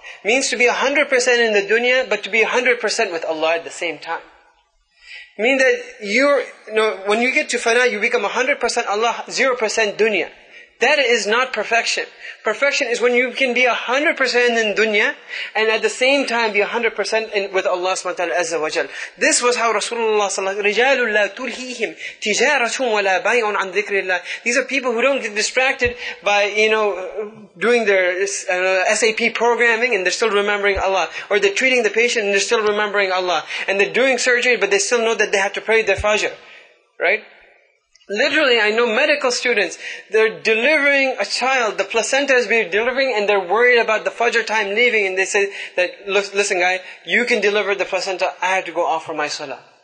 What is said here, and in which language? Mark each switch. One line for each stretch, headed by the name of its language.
English: Means to be 100% in the dunya, but to be 100% with Allah at the same time. Mean that when you get to fana, you become 100% Allah, 0% dunya. That is not perfection. Perfection is when you can be 100% in dunya, and at the same time be 100% with Allah subhanahu wa ta'ala azza wa jal. This was how Rasulullah sallallahu alayhi wa sallam,
Arabic: رِجَالٌ لَا تُلْهِيهِمْ تِجَارَةٌ وَلَا بَيْعٌ عَنْ ذِكْرِ اللَّهِ.
English: These are people who don't get distracted by, you know, doing their SAP programming and they're still remembering Allah. Or they're treating the patient and they're still remembering Allah. And they're doing surgery but they still know that they have to pray their fajr. Right? Literally, I know medical students, they're delivering a child, the placenta is being delivered, and they're worried about the fajr time leaving, and they say that, listen guy, you can deliver the placenta, I have to go offer my salah.